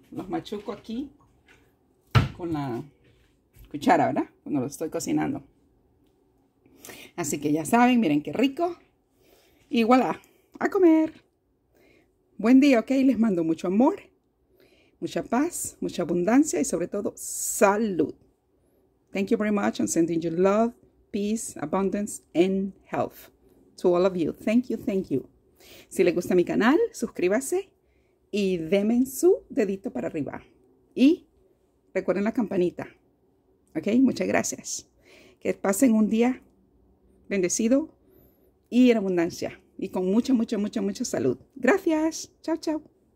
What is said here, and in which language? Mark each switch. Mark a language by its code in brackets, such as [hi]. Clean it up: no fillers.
[es] Los machuco aquí con la cuchara, ¿verdad? Cuando los estoy cocinando. Así que ya saben, miren qué rico. Y voilà, a comer. Buen día, ok. Les mando mucho amor, mucha paz, mucha abundancia y sobre todo salud. [en] Thank you very much. I'm sending you love, peace, abundance and health to all of you. Thank you, thank you. [es] Si les gusta mi canal, suscríbase y denme su dedito para arriba. Y recuerden la campanita. Ok, muchas gracias. Que pasen un día bendecido y en abundancia. Y con mucha, mucha, mucha, mucha salud. Gracias. Chao, chao.